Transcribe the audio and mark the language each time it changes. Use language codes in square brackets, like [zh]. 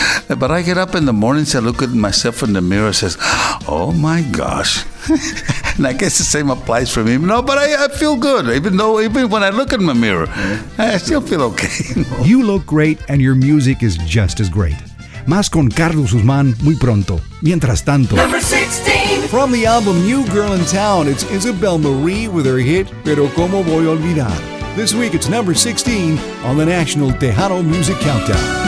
[en] But I get up in the mornings, I look at myself in the mirror and says, oh my gosh. And I guess the same applies for me. No, but I feel good. Even when I look in my mirror, I still feel okay. You look great and your music is just as great. [es] Más con Carlos Guzmán muy pronto. Mientras tanto. [en] Number 16. From the album New Girl in Town, it's Isabel Marie with her hit, Pero Como Voy a Olvidar. This week, it's number 16 on the National Tejano Music Countdown.